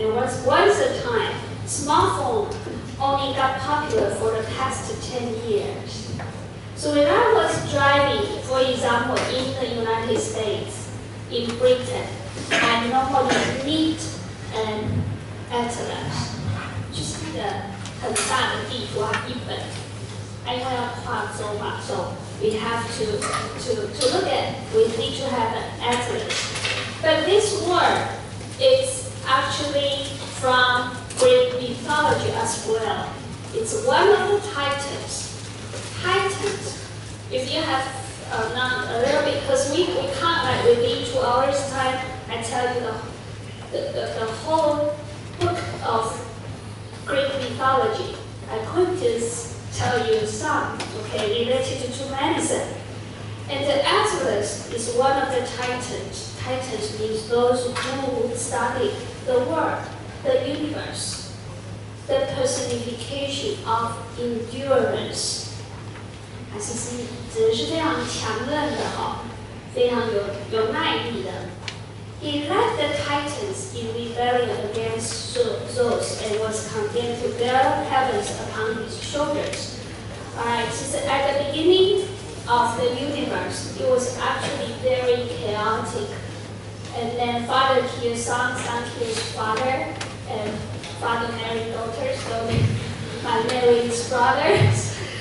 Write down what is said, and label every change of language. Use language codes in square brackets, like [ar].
[en] There was once a time, smartphone only got popular for the past 10 years. So when I was driving, for example, in the United States, in Britain, I normally need an atlas. [zh] 就是那个很大的地图啊，一本。因为要跨州嘛， [en] so we have to look at, we need to have an atlas. But this word is actually from Greek mythology as well. It's one of the titans. Titans, if you have not a little bit, because we can't, like, within 2 hours time, I tell you the whole book of Greek mythology. I could just tell you some, okay, related to medicine. And the Atlas is one of the titans. Titans means those who study the world, the universe, the personification of endurance. [zh] 还是指的是非常强韧的哈，非常有耐力的。 [en] He led the Titans in rebellion against Zeus and was condemned to bear heavens upon his shoulders. Alright, since at the beginning of the universe, it was actually very chaotic. And then father kills son, son kills father, and father marries daughter, so he marries brothers.